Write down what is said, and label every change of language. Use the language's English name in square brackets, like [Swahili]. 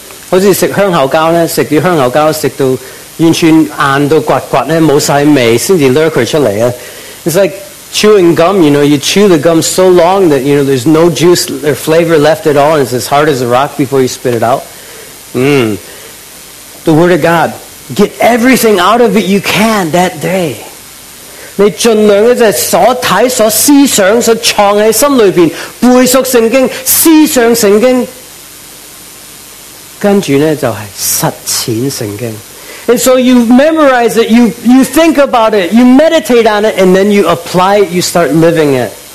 [Cantonese] 好似食香口膠咧，食啲香口膠食到完全硬到刮刮咧，冇曬味，先至攞佢出嚟啊！ [English] It's like chewing gum, you know, you chew the gum so long that, you know, there's no juice or flavor left at all, and it's as hard as a rock before you spit it out. Mm. The Word of God. Get everything out of it you can that day. [Cantonese] 你盡量的就是所看、所思想、所藏在心裏面，背熟聖經、思想聖經，跟住呢就係實踐聖經。 [English] And so you memorize it, you think about it, you meditate on it, and then you apply it, you start living it.